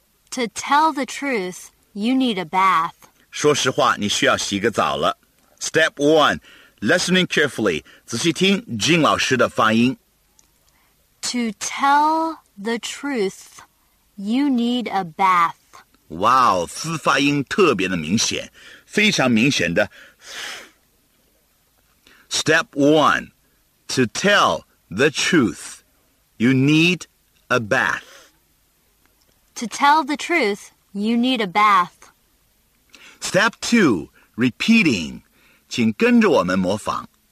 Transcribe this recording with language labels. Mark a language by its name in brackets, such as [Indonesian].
[English] To tell the truth, you need a bath. [Chinese] 说实话，你需要洗个澡了。 [English] Step 1. Listening carefully. [Chinese] 仔细听 Jing 老师的发音。 [English] To tell the truth, you need a bath. [Chinese] Wow, 嘶发音特别的明显，非常明显的。 [English] Step 1. To tell the truth, you need a bath. To tell the truth, you need a bath. Step 2. Repeating. [Chinese] 请跟着我们模仿。